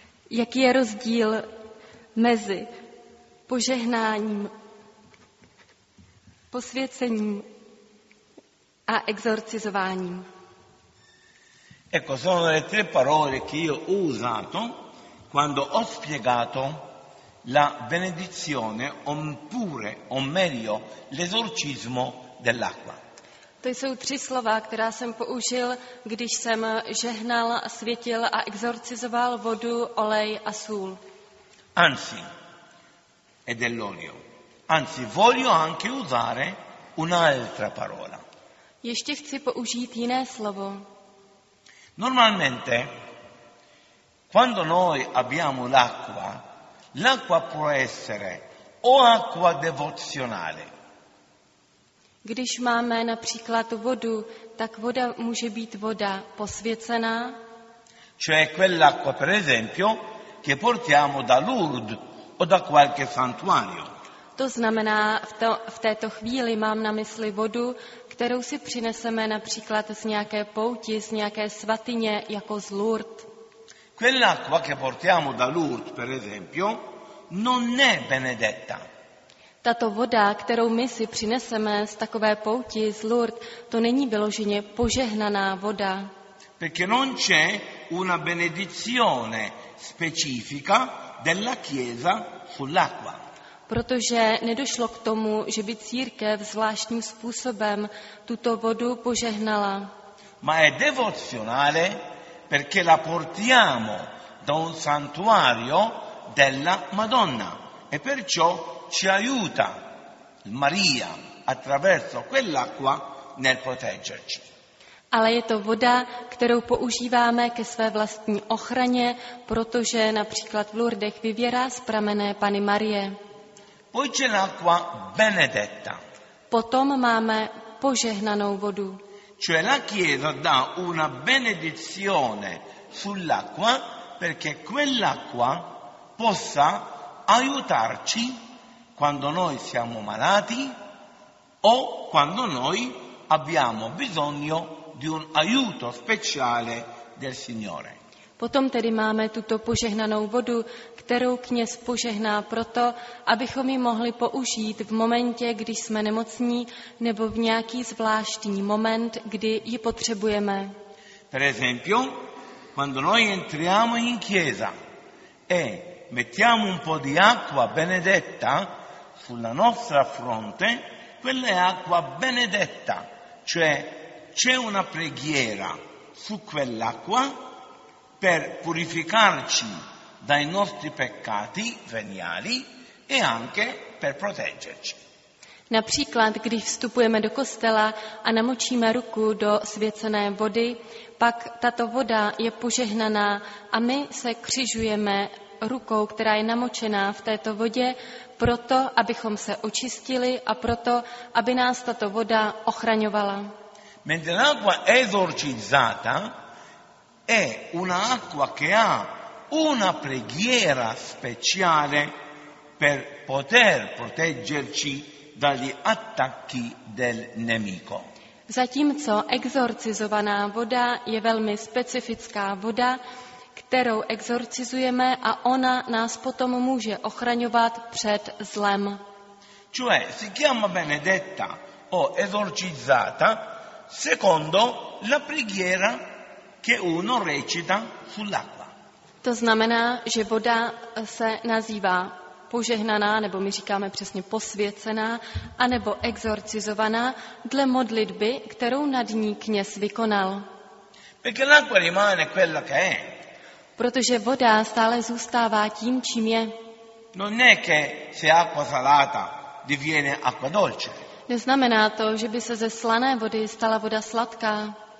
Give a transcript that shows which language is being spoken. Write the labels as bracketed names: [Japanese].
[Czech] Jaký je rozdíl mezi požehnáním, posvěcením a exorcizováním? [Italian] Ecco, sono le tre parole che io ho usato quando ho spiegato la benedizione, oppure, o meglio, l'esorcismo dell'acqua. [Czech] To jsou tři slova, která jsem použil, když jsem žehnal, světil a exorcizoval vodu, olej a sůl. [Italian] Anzi, e dell'olio. Anzi, voglio anche usare un'altra parola. [Czech] Ještě chci použít jiné slovo. [Italian] Normalmente, quando noi abbiamo l'acqua, l'acqua può essere o acqua devozionale. [Czech] Když máme například vodu, tak voda může být voda posvěcená. [Italian] Cioè quell'acqua, per esempio, che portiamo da Lourdes o da qualche santuario. [Czech] To znamená, v této chvíli mám na mysli vodu, kterou si přineseme například z nějaké pouti, z nějaké svatyně, jako z Lourdes. [Italian] Quell'acqua che portiamo da Lourdes, per esempio, non è benedetta. [Czech] Tato voda, kterou my si přineseme z takové pouti z Lourdes, to není vyloženě požehnaná voda. [Italian] Perché non c'è una benedizione specifica della Chiesa sull'acqua. [Czech] Protože nedošlo k tomu, že by církev zvláštním způsobem tuto vodu požehnala. [Italian] Ma è devozionale perché la portiamo da un santuario della Madonna e perciò ci aiuta Maria attraverso quell'acqua nel proteggerci. [Czech] Ale je to voda, kterou používáme ke své vlastní ochraně, protože například v Lourdech vyvěrá z pramene Panny Marie. [Italian] Poi c'è l'acqua benedetta. [Czech] Potom máme požehnanou vodu. [Italian] Cioè la Chiesa dà una benedizione sull'acqua perché quell'acqua possa aiutarci quando noi siamo malati o quando noi abbiamo bisogno di un aiuto speciale del Signore. [Czech] Potom tedy máme tuto požehnanou vodu, kterou kněz požehná proto, abychom ji mohli použít v momentě, když jsme nemocní, nebo v nějaký zvláštní moment, kdy ji potřebujeme. [Italian] Per esempio, quando noi entriamo in chiesa e mettiamo un po' di acqua benedetta sulla nostra fronte, quella è acqua benedetta, cioè c'è una preghiera su quell'acqua per purificarci dai nostri peccati veniali e anche per proteggerci. [Czech] Například, když vstupujeme do kostela a namočíme ruku do svěcené vody, pak tato voda je požehnaná a my se křižujeme rukou, která je namočená v této vodě, proto, abychom se očistili a proto, aby nás tato voda ochraňovala. [Italian] Mentre l'acqua esorcizzata è un'acqua che ha una preghiera speciale per poter proteggerci dagli attacchi del nemico. [Czech] Zatímco exorcizovaná voda je velmi specifická voda, kterou exorcizujeme a ona nás potom může ochraňovat před zlem. [Italian] Cioè, si chiama benedetta o esorcizzata secondo la preghiera che uno recita sull'acqua. [Czech] To znamená, že voda se nazývá požehnaná, nebo my říkáme přesně posvěcená, anebo exorcizovaná dle modlitby, kterou nad ní kněz vykonal. [Italian] Perché l'acqua rimane quella che è. [Czech] Protože voda stále zůstává tím, čím je. [Italian] Non è che se acqua salata diviene acqua dolce. [Czech] Neznamená to, že by se ze slané vody stala voda sladká.